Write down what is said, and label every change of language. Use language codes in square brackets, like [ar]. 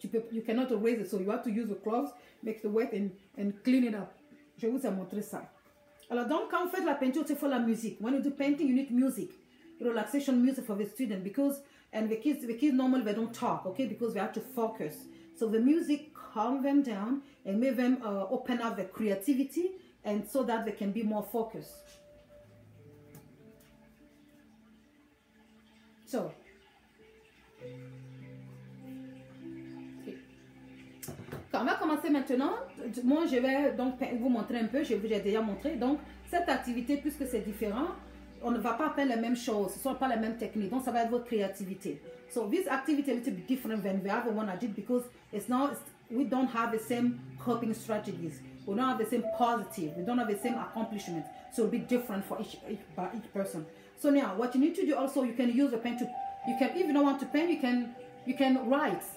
[en] You cannot erase it, so you have to use the cloth, make the wet and clean it up. [fr] Je vous ai montré ça. Alors donc quand vous faites la peinture, c'est pour la musique. [en] When you do painting, you need music, relaxation music for the student because the kids normally they don't talk, okay? Because they have to focus. So the music calm them down and make them open up their creativity and so that they can be more focused. So. [fr] On va commencer maintenant. Moi, je vais donc vous montrer un peu. Je vous ai déjà montré. Donc, cette activité, puisque c'est différent, on ne va pas peindre les mêmes choses. Ce ne sont pas les mêmes techniques. Donc, ça va être votre créativité. [en] So, this activity is a little bit different than the other one I did because it's not, we don't have the same coping strategies. We don't have the same positive. We don't have the same accomplishment. So, it'll be different for each person. So, now, what you need to do also, you can use a pen to, you can, if you don't want to paint, you can write.